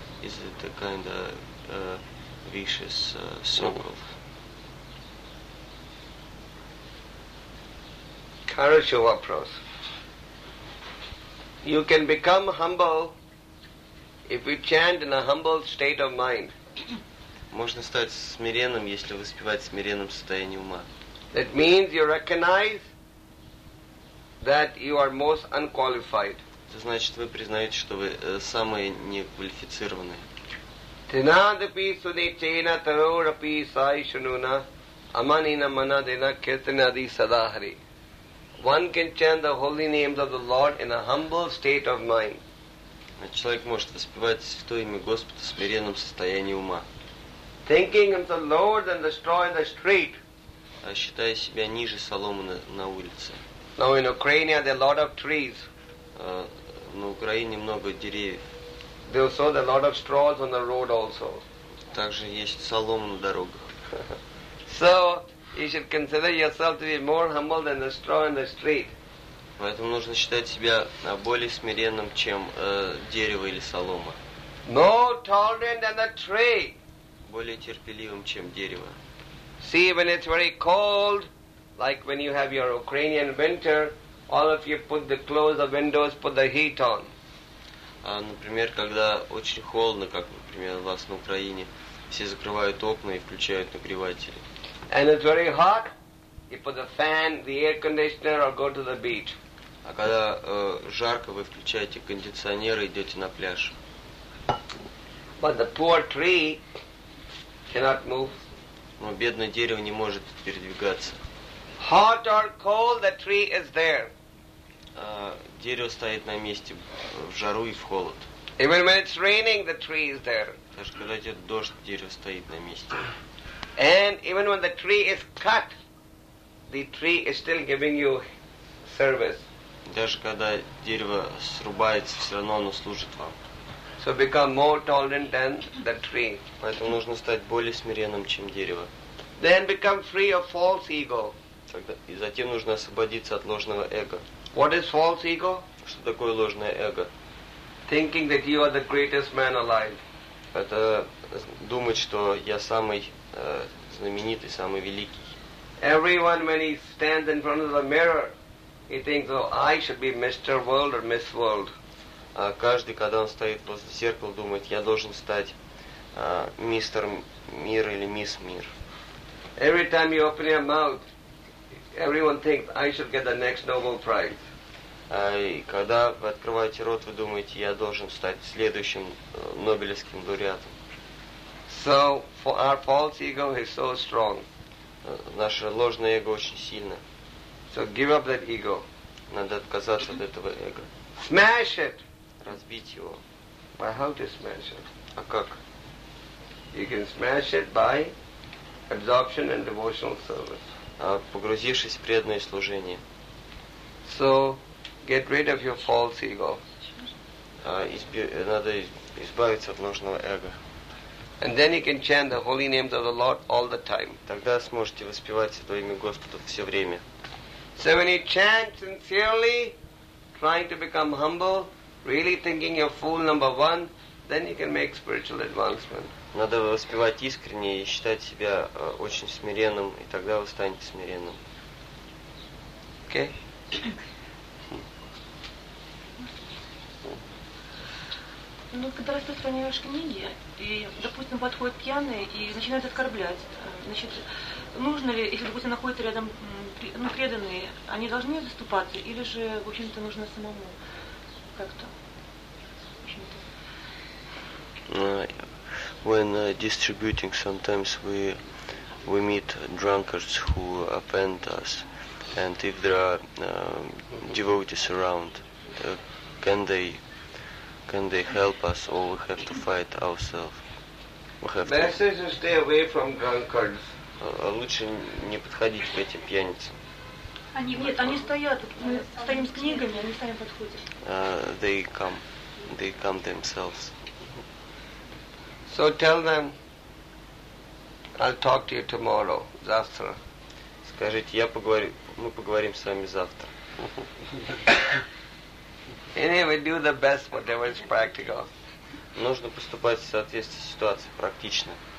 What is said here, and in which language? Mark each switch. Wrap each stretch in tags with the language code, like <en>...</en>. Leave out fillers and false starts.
<en>Is it a kind of vicious circle?</en> <ru>Хорошо вопрос.</ru> <en>You can become humble if you chant in a humble state of mind.</en> <ru>Можно стать смиренным, если воспевать в смиренном состоянии ума.</ru> <en>That means you recognize that you are most unqualified.</en> <ru>Это значит, вы признаете, что вы самые неквалифицированные.</ru> <sa>Тинадапи суни чейна тарурапи сай шунуна аманина манадена киртанади садахари.</sa> <en>One can chant the holy names of the Lord in a humble state of mind.</en> <ru>Человек может воспевать святое имя Господа в смиренном состоянии ума.</ru> <en>Thinking himself lower than the straw in the street.</en> <ru>считая себя ниже соломы на улице.</ru> <en>Now in Ukraine there are a lot of trees.</en> <ru>На Украине много деревьев.</ru> <en>They also have a lot of straws on the road also.</en> <ru>Также есть солома на дорогах.</ru> <en>So you should consider yourself to be more humble than the straw in the street.</en> <ru>Поэтому нужно считать себя более смиренным, чем дерево или солома.</ru> <en>More tolerant than the tree.</en> <ru>Более терпеливым, чем дерево.</ru> <en>See, when it's very cold, like when you have your Ukrainian winter, all of you put the clothes, the windows, put the heat on.</en> <ru>Например, когда очень холодно, как, например, у вас на Украине, все закрывают окна и включают нагреватели.</ru> <en>And it's very hot, you put the fan, the air conditioner, or go to the beach.</en> <ru>А когда жарко, вы включаете кондиционер и идете на пляж.</ru> <en>But the poor tree cannot move.</en> <ru>Но бедное дерево не может передвигаться.</ru> <en>Hot or cold, the tree is there.</en> <ru>Дерево стоит на месте в жару и в холод.</ru> <en>Even when it's raining, the tree is there.</en> <ru>Даже когда идет дождь, дерево стоит на месте.</ru> <en>And even when the tree is cut, the tree is still giving you service.</en> <ru>Даже когда дерево срубается, все равно оно служит вам.</ru> <en>So become more tolerant than the tree.</en> <ru>Поэтому нужно стать более смиренным, чем дерево.</ru> <en>Then become free of false ego.</en> <ru>И затем нужно освободиться от ложного эго.</ru> <en>What is false ego?</en> <ru>Что такое ложное эго?</ru> <en>Thinking that you are the greatest man alive.</en> <ru>Это думать, что я самый знаменитый, самый великий.</ru> <en>Everyone, when he stands in front of the mirror, he thinks, oh, I should be Mr. World or Miss World.</en> <ru>А каждый, когда он стоит возле зеркала, думает, я должен стать мистер мир или мисс мир.</ru> <en>Every time you open your mouth, everyone thinks I should get the next Nobel Prize.</en> <ru>Когда вы открываете рот, вы думаете, я должен стать следующим Нобелевским лауреатом.</ru> <en>So for our false ego is so strong.</en> <ru>Наше ложное эго очень сильно.</ru> <en>So give up that ego.</en> <ru>Надо отказаться от этого эго.</ru> <en>Smash it.</en> <ru>Разбить его.</ru> <en>But how to smash it?</en> <ru>А как?</ru> <en>You can smash it by absorption and devotional service.</en> <ru>Погрузившись в преданное служение.</ru> <en>So, get rid of your false ego.</en> <ru>Надо избавиться от ложного эго.</ru> <en>And then you can chant the holy names of the Lord all the time.</en> <ru>Тогда сможете воспевать Святое имя Господа все время.</ru> <en>So when you chant sincerely, trying to become humble, really thinking you're fool number one, then you can make spiritual advancement.</en> <ru>Надо воспевать искренне и считать себя очень смиренным, и тогда вы станете смиренным.</ru> <en>Okay?</en> <ru>Ну, когда распространяешь книги, и, допустим, подходит пьяный и начинает оскорблять, значит, нужно ли, если, допустим, находится рядом преданные, они должны заступаться, или же, в общем-то, нужно самому как-то?</ru> <en>When distributing, sometimes we meet drunkards who offend us, and if there are devotees around, can they help us, or we have to fight ourselves? Best is to stay away from drunkards.</en> <ru>Лучше не подходить к этим пьяницам. Они стоят. Мы стоим с книгами, они сами подходят.</ru> <en>They come themselves. So tell them, I'll talk to you tomorrow,</en> <ru>завтра. Скажите, мы поговорим с вами завтра.</ru> <en>Anyway, do the best, whatever is practical.</en> <ru>Нужно поступать в соответствии с ситуацией, практично.</ru>